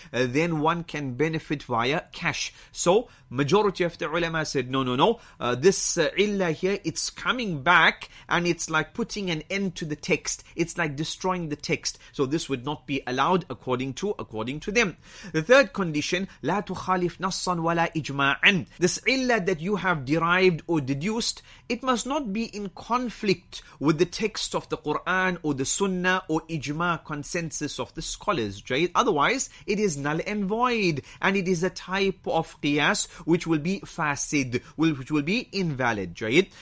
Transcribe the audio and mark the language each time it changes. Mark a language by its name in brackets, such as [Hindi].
[English] Then one can benefit via cash. So, majority of the ulama said, no. This illah here, it's coming back and it's like putting an end to the text. It's like destroying the text. So this would not be allowed according to them. [Arabic] The third condition, لا تخالف نصا ولا إجماعا. [English] This illah that you have derived or deduced, it must not be in conflict with the text of the Quran or the Sunnah or Ijma, consensus of the scholars. Right? Otherwise, it is null and void. And it is a type of qiyas which will be fasid, which will be invalid. Right?